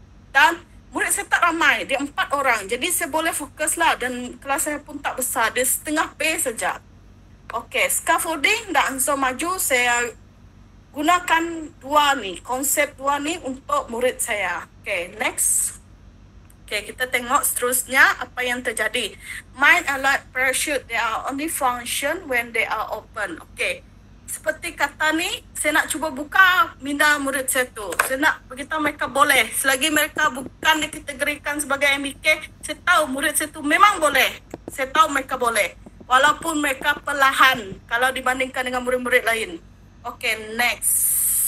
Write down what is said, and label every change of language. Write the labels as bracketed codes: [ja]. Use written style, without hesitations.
[ms] Dan murid saya tak ramai, dia 4 orang. Jadi saya boleh fokuslah dan kelas saya pun tak besar, dia setengah pace saja. Okey, scaffolding dan ansur maju, saya gunakan dua ni, konsep dua ni untuk murid saya. Okey, next. Okay, kita tengok seterusnya apa yang terjadi. [en] Mind alert parachute, they are only function when they are open. [ms] Okay, seperti kata ni, saya nak cuba buka minda murid saya tu. Saya nak beritahu mereka boleh. Selagi mereka bukan dikategorikan sebagai MBK, saya tahu murid saya tu memang boleh. Saya tahu mereka boleh. Walaupun mereka perlahan kalau dibandingkan dengan murid-murid lain. [en] Okay, next.